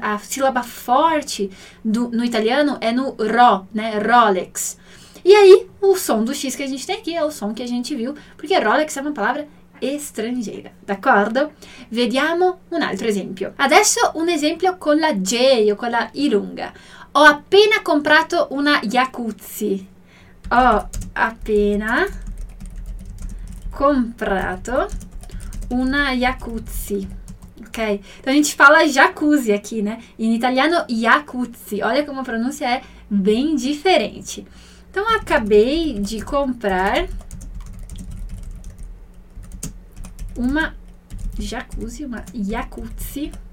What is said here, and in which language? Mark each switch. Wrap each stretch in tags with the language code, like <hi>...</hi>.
<pt>A sílaba forte no italiano é no ro, né? Rolex. E aí, o som do X que a gente tem aqui é o som que a gente viu, porque Rolex é uma palavra estrangeira, d'accordo?</pt> <it>Vediamo un altro esempio. Adesso un esempio con la J, o con la Ilunga. Ho appena comprato una Jacuzzi. Ho appena comprato una Jacuzzi. Ok?</it> <pt>Então a gente fala jacuzzi aqui, né?</pt> <it>In italiano,</it> <pt>Jacuzzi. Olha como a pronúncia é bem diferente. Então, acabei de comprar uma jacuzzi, uma jacuzzi.</pt>